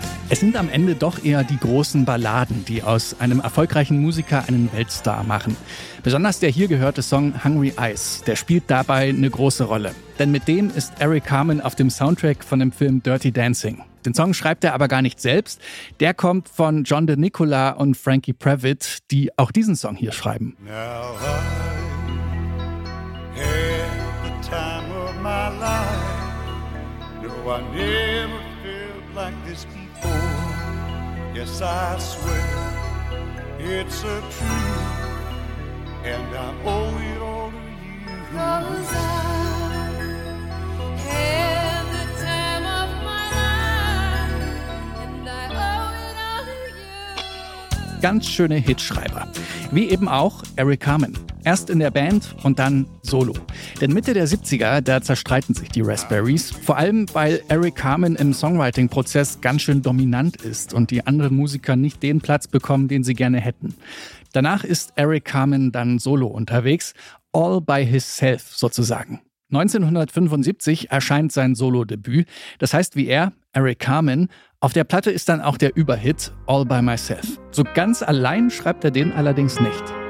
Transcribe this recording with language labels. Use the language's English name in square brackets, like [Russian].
[German] Es sind am Ende doch eher die großen Balladen, die aus einem erfolgreichen Musiker einen Weltstar machen. Besonders der hier gehörte Song Hungry Eyes, der spielt dabei eine große Rolle. Denn mit dem ist Eric Carmen auf dem Soundtrack von dem Film Dirty Dancing. Den Song schreibt er aber gar nicht selbst. Der kommt von John DeNicola und Frankie Previtt, die auch diesen Song hier schreiben. [English] Now I have the time of my life. No, I never felt like this before. Yes, I swear, it's a truth, and I owe it all to you. Cause I had the time of my life, and I owe it all to you. [German] Ganz schöne Hitschreiber. Wie eben auch Eric Carmen. Erst in der Band und dann solo. Denn Mitte der 70er, da zerstreiten sich die Raspberries. Vor allem, weil Eric Carmen im Songwriting-Prozess ganz schön dominant ist und die anderen Musiker nicht den Platz bekommen, den sie gerne hätten. Danach ist Eric Carmen dann solo unterwegs. [English] All by himself, [German] sozusagen. 1975 erscheint sein Solo-Debüt. Das heißt, wie er, Eric Carmen. Auf der Platte ist dann auch der Überhit All by Myself. So ganz allein schreibt er den allerdings nicht.